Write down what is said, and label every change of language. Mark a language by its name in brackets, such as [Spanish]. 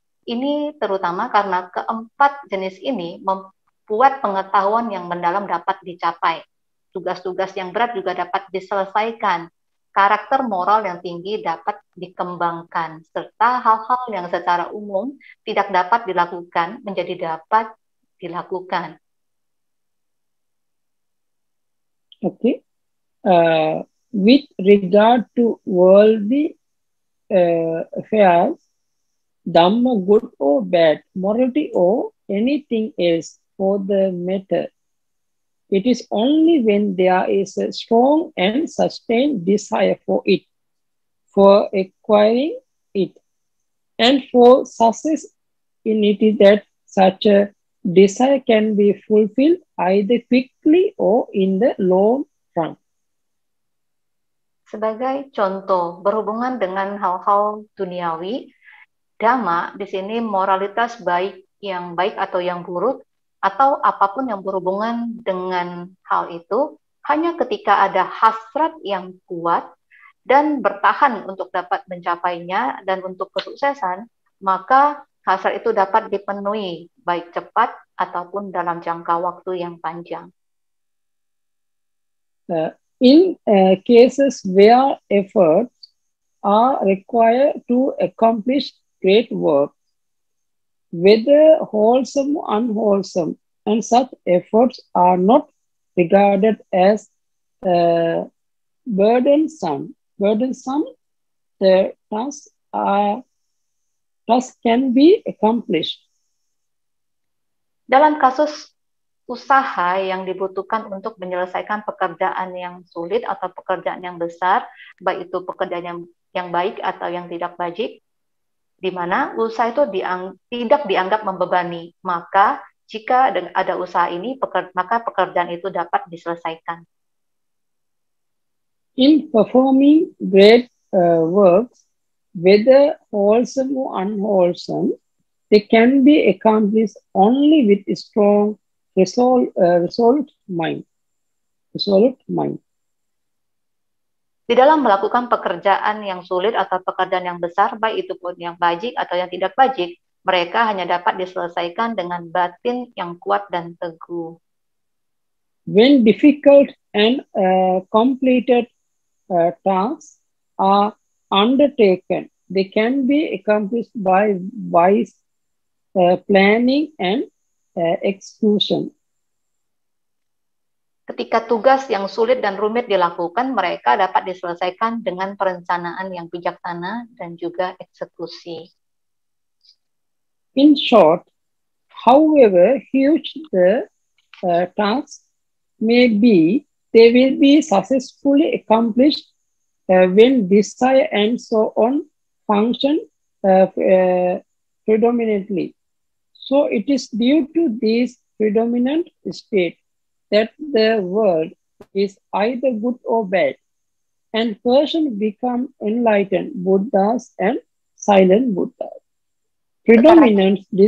[Indonesian] Ini terutama karena keempat jenis ini membuat pengetahuan yang mendalam dapat dicapai. Tugas-tugas yang berat juga dapat diselesaikan. Karakter moral yang tinggi dapat dikembangkan, serta hal-hal yang secara umum tidak dapat dilakukan menjadi dapat dilakukan. [English] Okay. With regard to worldly affairs, dhamma good or bad, morality or anything else for the matter, it is only when there is a strong and sustained desire for it, for acquiring it, and for success in it that such a desire can be fulfilled either quickly or in the long run. [Indonesian] Sebagai contoh, berhubungan dengan hal-hal duniawi, dhamma di sini moralitas baik yang baik atau yang buruk, atau apapun yang berhubungan dengan hal itu, hanya ketika ada hasrat yang kuat dan bertahan untuk dapat mencapainya dan untuk kesuksesan, maka hasrat itu dapat dipenuhi baik cepat ataupun dalam jangka waktu yang panjang. [English] In cases where efforts are required to accomplish great work, whether wholesome or unwholesome, and such efforts are not regarded as burdensome, the task can be accomplished. [Indonesian] Dalam kasus usaha yang dibutuhkan untuk menyelesaikan pekerjaan yang sulit atau pekerjaan yang besar, baik itu pekerjaan yang baik atau yang tidak baik, di mana usaha itu tidak dianggap membebani, maka jika ada usaha ini, maka pekerjaan itu dapat diselesaikan. [English] In performing great works, whether wholesome or unwholesome, they can be accomplished only with strong resolute mind. [Indonesian] Di dalam melakukan pekerjaan yang sulit atau pekerjaan yang besar, baik itu pun yang bajik atau yang tidak bajik, mereka hanya dapat diselesaikan dengan batin yang kuat dan teguh. [English] When difficult and completed tasks are undertaken, they can be accomplished by wise planning and execution. [Indonesian] Ketika tugas yang sulit dan rumit dilakukan, mereka dapat diselesaikan dengan perencanaan yang bijaksana dan juga eksekusi. [English] In short, however huge the task may be, they will be successfully accomplished when desire and so on function predominantly. So it is due to this predominant state that the world is either good or bad, and person become enlightened Buddhas and silent Buddhas.